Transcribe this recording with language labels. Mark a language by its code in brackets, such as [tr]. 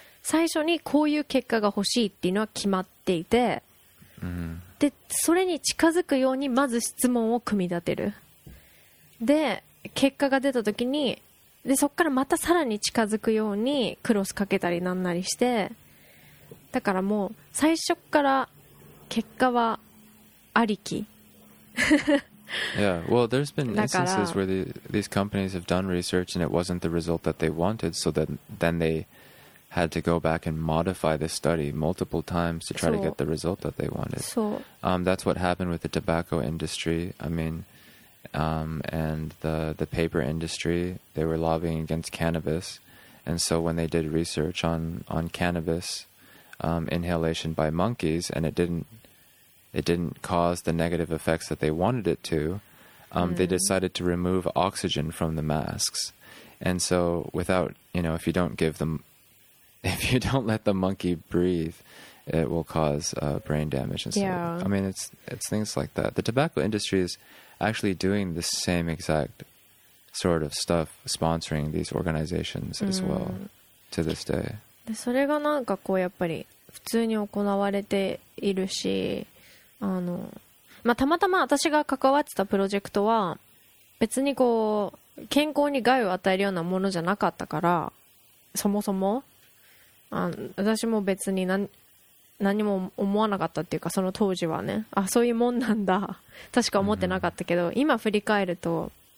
[ja] 最初にこういう結果が欲しいっていうのは決まっていて、でそれに近づくようにまず質問を組み立てる。で結果が出た時にでそこからまたさらに近づくようにクロスかけたりなんなりして、だからもう最初から結果はありき。 [en] Yeah, well, there's been instances where these companies have done research and it wasn't the result that they wanted, so that then theyhad to go back and modify the study multiple times to try to get the result that they wanted. That's what happened with the tobacco industry. I mean, and the paper industry, they were lobbying against cannabis. And so when they did research on cannabis inhalation by monkeys, and it didn't cause the negative effects that they wanted it to, they decided to remove oxygen from the masks. And so without, you know, if you don't let the monkey breathe, it will cause brain damage. And so, yeah. I mean, it's things like that. The tobacco industry is actually doing the same exact sort of stuff, sponsoring these organizations as well to this day. [ja] で、それがなんかこうやっぱり普通に行われているし、あの、まあ、たまたま私が関わってたプロジェクトは別にこう健康に害を与えるようなものじゃなかったから、そもそも私も別に 何も思わなかったっていうか、その当時はね、あ、そういうもんなんだ確か思ってなかったけど、今振り返ると、